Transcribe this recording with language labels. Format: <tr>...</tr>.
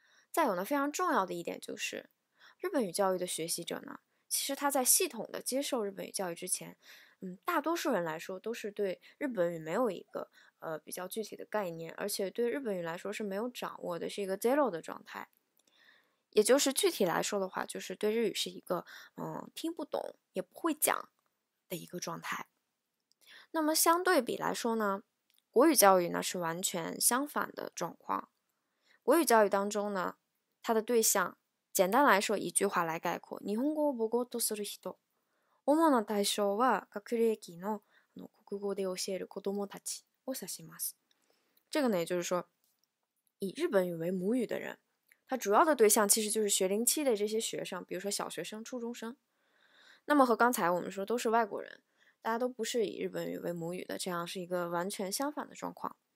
<zh>再有呢，非常重要的一点就是，日本语教育的学习者呢，其实他在系统的接受日本语教育之前，大多数人来说都是对日本语没有一个比较具体的概念，而且对日本语来说是没有掌握的，是一个 zero 的状态。也就是具体来说的话，就是对日语是一个听不懂也不会讲的一个状态。那么相对比来说呢，国语教育呢是完全相反的状况。国语教育当中呢，它的对象简单来说一句话来概括：</zh> <ja>日本語を母語とする人、主な対象は学齢期の国語で教える子供たちを指します。</ja> <zh>这个呢，也就是说，以日本语为母语的人。他主要的对象其实就是学龄期的这些学生，比如说小学生、初中生。那么和刚才我们说都是外国人，大家都不是以日本语为母语的，这样是一个完全相反的状况。</zh>